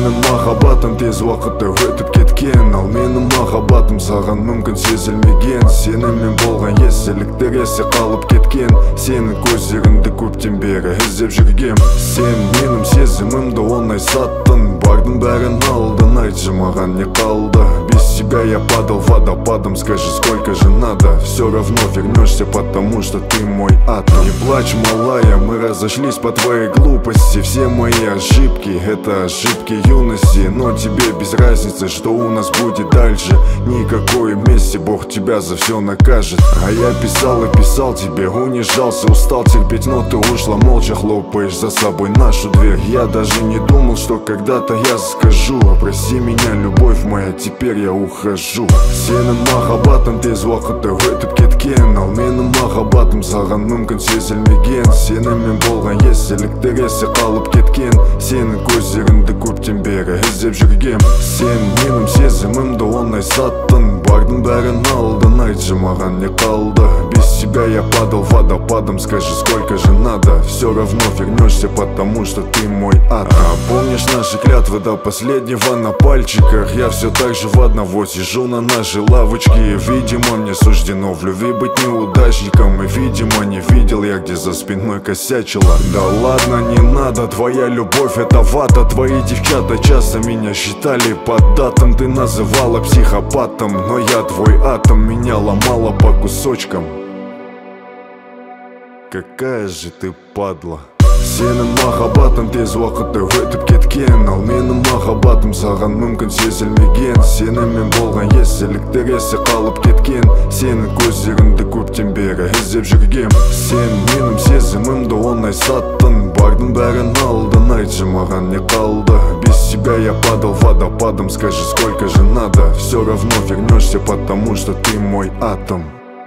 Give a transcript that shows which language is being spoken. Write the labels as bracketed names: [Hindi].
[Kazakh] махаббатым тез уақытта өтіп кеткен. Ал менің махаббатым саған мүмкін сезілмеген. Сенімен болған естеліктер есте қалып кеткен. Сенің көздеріңді көптен бері іздеп жүргем. Сен менің сезімімді оңай саттың. Бардың бәрін алдың, айтшы маған не қалды. [Russian] Без тебя я падал водопадом, скажи сколько же надо. Все равно вернешься, потому что ты мой атом. Не плачь, малая, мы разошлись по твоей глупости. Все мои ошибки, это ошибки юности. Но тебе без разницы, что у нас будет дальше. Никакой мести, Бог тебя за все накажет. А я писал и писал тебе, унижался, устал терпеть. Но ты ушла молча, хлопаешь за собой нашу дверь. Я даже не думал, что когда-то я скажу. Прости меня, любовь моя, теперь я ухожу. [Kazakh] Сенің махаббатым тез уақытта өтіп кеткен. Ал менің махаббатым саған мүмкін сезілмеген. Сенімен болған естеліктер есте қалып кеткен. Сенің көздеріңді көптен бері іздеп жүргем. Сен менің сезімімді оңай саттың. Бардың бәрін алдың, айтшы маған не қалды. [Russian] Без тебя я падал водопадом, скажи сколько же надо. Все равно вернешься, потому что ты мой ад. А помнишь наши клятвы до последнего на пальчиках? Я все так же в одного сижу на нашей лавочке. И видимо мне суждено в любви быть неудачником. И видимо не видел я, где за спиной косячила. Да ладно, не надо, твоя любовь это вата. Твои девчата часто меня считали поддатым. Ты называла психопатом, но я твой атом. Меня ломала по кусочкам. Какая же ты падла. [Kazakh] Сенің махаббатым тез уақытта өтіп кеткен. Ал менің махаббатым саған мүмкін сезілмеген. Сенімен болған естеліктер есте қалып кеткен. Сенің көздеріңді көптен бері іздеп жүргем. Сен менің сезімімді оңай саттың. Бардың бәрін алдың, айтшы маған не қалды. [Russian] Без тебя я падал водопадом, скажи сколько же надо. Все равно вернешься, потому что ты мой атом.